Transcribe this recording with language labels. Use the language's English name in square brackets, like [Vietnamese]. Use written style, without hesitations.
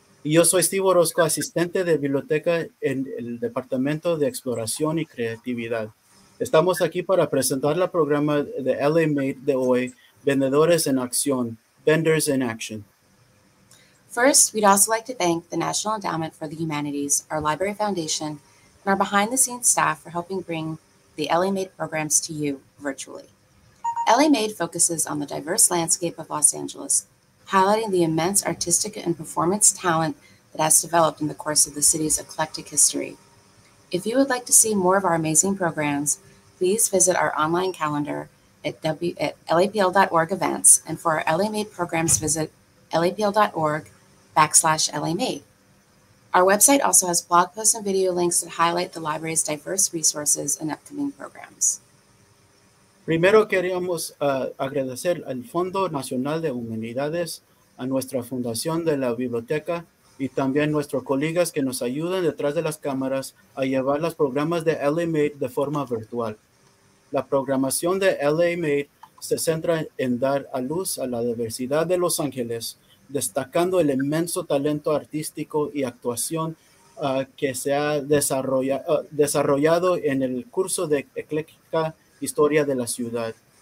[Spanish] Y yo soy Steve Orozco, asistente de biblioteca en el Departamento de Exploración y Creatividad. Estamos aquí para presentar el programa de LA Made de hoy, Vendedores en Acción, Vendors in Action. [English] First, we'd also like to thank the National Endowment for the Humanities, our Library Foundation, and our behind-the-scenes staff for helping bring the LA Made programs to you virtually. LA Made focuses on the diverse landscape of Los Angeles, highlighting the immense artistic and performance talent that has developed in the course of the city's eclectic history. If you would like to see more of our amazing programs, please visit our online calendar at lapl.org events, and for our LA Made programs, visit lapl.org/LA Made. Our website also has blog posts and video links that highlight the library's diverse resources and upcoming programs. [Spanish] Primero queríamos agradecer al Fondo Nacional de Humanidades, a nuestra Fundación de la Biblioteca, y también nuestros colegas que nos ayudan detrás de las cámaras a llevar los programas de LA Made de forma virtual. La programación de LA Made se centra en dar a luz a la diversidad de Los Ángeles, destacando el inmenso talento artístico y actuación que se ha desarrollado en el curso de ecléctica historia de la ciudad.